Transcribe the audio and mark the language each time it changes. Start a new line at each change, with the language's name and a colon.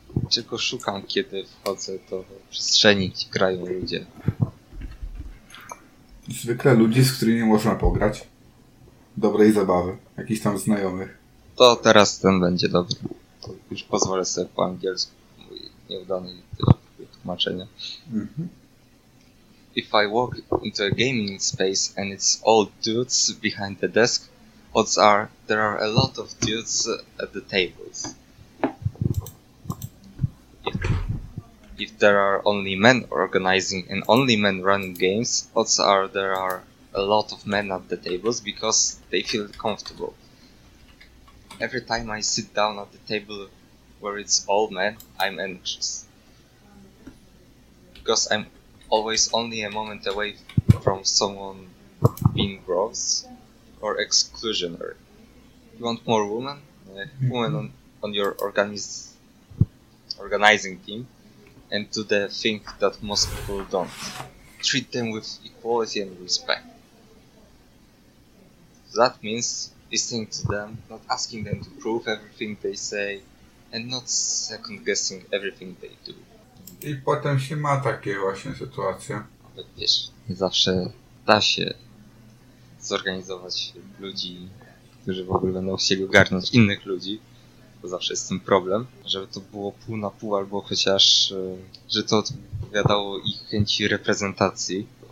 Polish: Czego szukam, kiedy wchodzę do przestrzeni, gdzie grają ludzie? Zwykle ludzi, z którymi można pograć. Dobrej zabawy. Jakichś tam znajomych. To teraz ten będzie dobry. To już pozwolę sobie po angielsku, mój nieudany tłumaczenie.
English: If I walk into a gaming space and it's all dudes behind the desk, odds are there are a lot of dudes at the tables. If there are only men organizing and only men running games, odds are there are a lot of men at the tables because they feel comfortable. Every time I sit down at the table where it's all men, I'm anxious. Because I'm always only a moment away from someone being gross or exclusionary. You want more women? Women on your organizing team, and do the thing that most people don't. Treat them with equality and respect. That means listening to them, not asking them to prove everything they say, and not second guessing everything they do.
Polish: I potem się ma takie właśnie sytuacje. Ale wiesz, nie zawsze da się zorganizować ludzi, którzy w ogóle będą chcieli ogarnąć innych ludzi, bo zawsze jest ten problem, żeby to było pół na pół, albo chociaż, że to odpowiadało ich chęci reprezentacji.